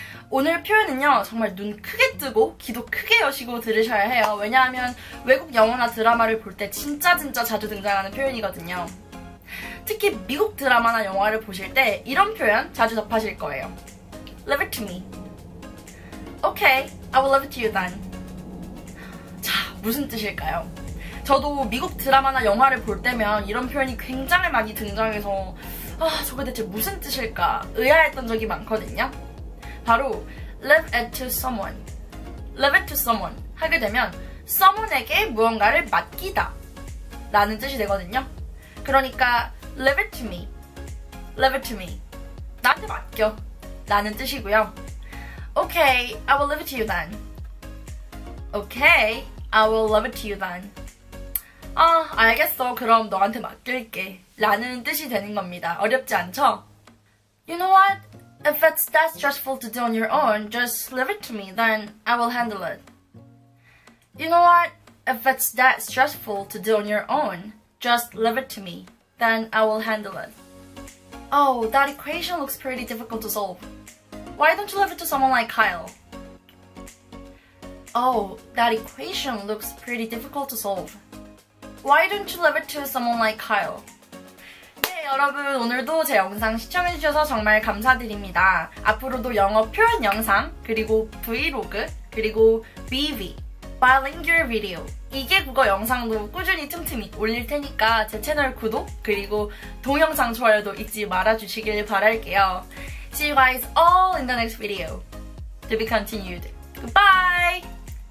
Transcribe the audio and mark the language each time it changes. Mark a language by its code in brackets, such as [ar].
[ko] 오늘 표현은요, 정말 눈 크게 뜨고 귀도 크게 여시고 들으셔야 해요. 왜냐하면 외국 영화나 드라마를 볼 때 진짜 진짜 자주 등장하는 표현이거든요. 특히 미국 드라마나 영화를 보실 때 이런 표현 자주 접하실 거예요. [en] Leave it to me. Okay, I will leave it to you then. [ko] 자, 무슨 뜻일까요? 저도 미국 드라마나 영화를 볼 때면 이런 표현이 굉장히 많이 등장해서 아, 저게 대체 무슨 뜻일까 의아했던 적이 많거든요. 바로 [en] leave it to someone. Leave it to someone [ko] 하게 되면 someone에게 무언가를 맡기다 라는 뜻이 되거든요. 그러니까 [en] leave it to me. Leave it to me. [ko] 나한테 맡겨 라는 뜻이고요. [en] Okay, I will leave it to you then. Okay, I will leave it to you then. [ko] 아, 알겠어. 그럼 너한테 맡길게 라는 뜻이 되는 겁니다. 어렵지 않죠? [en] You know what? If it's that stressful to do on your own, just leave it to me, then I will handle it. You know what? If it's that stressful to do on your own, just leave it to me, then I will handle it. Oh, that equation looks pretty difficult to solve. Why don't you leave it to someone like Kyle? Oh, that equation looks pretty difficult to solve. Why don't you leave it to someone like Kyle? [ko] 여러분 오늘도 제 영상 시청해주셔서 정말 감사드립니다. 앞으로도 영어 표현 영상 그리고 브이로그 그리고 BV Bilingual Video 이게 국어 영상도 꾸준히 틈틈이 올릴 테니까 제 채널 구독 그리고 동영상 좋아요도 잊지 말아주시길 바랄게요. [en] See you guys all in the next video. To be continued. Goodbye.